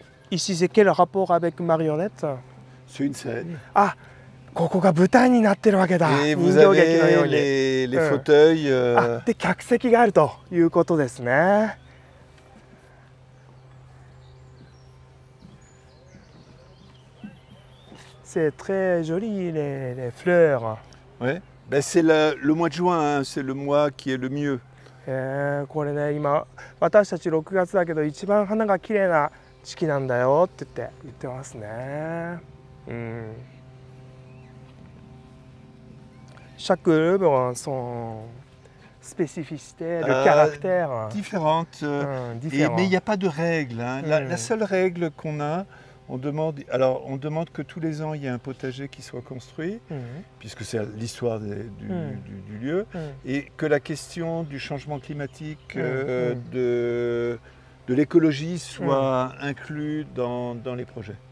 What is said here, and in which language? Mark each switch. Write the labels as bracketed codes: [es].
[fr] Ici, c'est quel rapport avec marionnette? C'est une scène. [ja] Ah, ここが舞台になってるわけだ。 [fr] Et vous avez les fauteuils. [ja] で、客席があるということですね。 [fr] C'est très joli les fleurs. Oui. Ben c'est le mois de juin. Hein. C'est le mois qui est le mieux. [ja] これね、今私たち6月だけど一番花が綺麗な。時期なんだよって言ってますね。 [fr] Chaque œuvre a son spécificité, le caractère. Différente. Mais il n'y a pas de règle. La seule règle qu'on a, On demande que tous les ans, il y ait un potager qui soit construit, puisque c'est l'histoire du lieu, et que la question du changement climatique, de l'écologie, soit inclus dans les projets.